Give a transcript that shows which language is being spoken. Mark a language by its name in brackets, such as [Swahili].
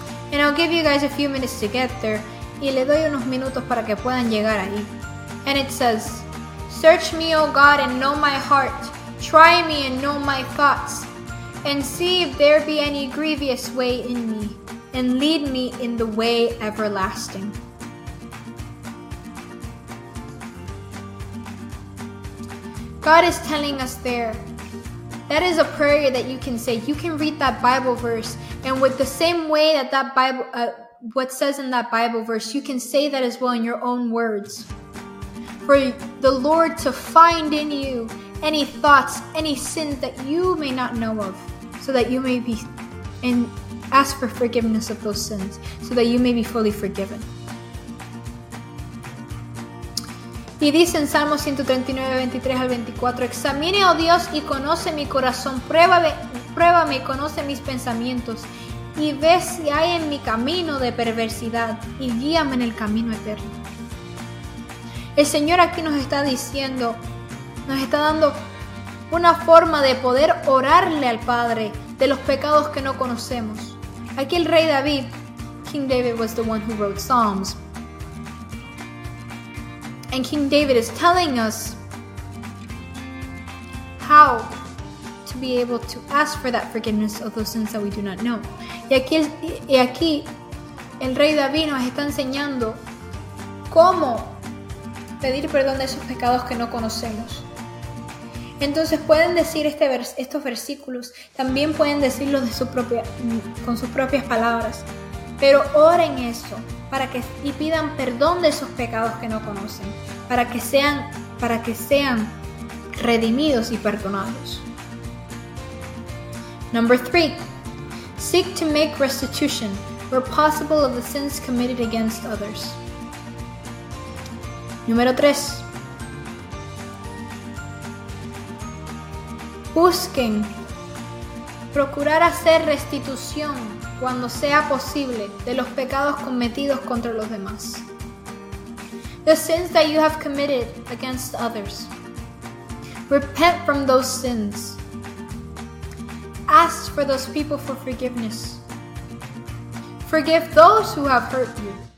[English] And I'll give you guys a few minutes to get there. [Spanish] Y le doy unos minutos para que puedan llegar ahí. [English] And it says, "Search me, O God, and know my heart. Try me and know my thoughts. And see if there be any grievous way in me. And lead me in the way everlasting." God is telling us there. That is a prayer that you can say. You can read that Bible verse, and with the same way that what says in that Bible verse, you can say that as well in your own words. For the Lord to find in you any thoughts, any sins that you may not know of, so that you may be, and ask for forgiveness of those sins, so that you may be fully forgiven. [Spanish] Y dice en Salmo 139, 23 al 24, "Examine, oh Dios, y conoce mi corazón, pruébame y conoce mis pensamientos, y ve si hay en mi camino de perversidad, y guíame en el camino eterno." El Señor aquí nos está diciendo, nos está dando una forma de poder orarle al Padre de los pecados que no conocemos. Aquí el rey David, [English] King David was the one who wrote Psalms. And King David is telling us how to be able to ask for that forgiveness of those sins that we do not know. [Spanish] Y aquí el rey David nos está enseñando cómo pedir perdón de esos pecados que no conocemos. Entonces pueden decir estos versículos, también pueden decirlos con sus propias palabras. Pero oren eso, y pidan perdón de esos pecados que no conocen, para que sean redimidos y perdonados. [English] Number 3. Seek to make restitution where possible of the sins committed against others. [Spanish] Número 3. Busquen procurar hacer restitución cuando sea posible de los pecados cometidos contra los demás. [English] The sins that you have committed against others. Repent from those sins. Ask for those people for forgiveness. Forgive those who have hurt you.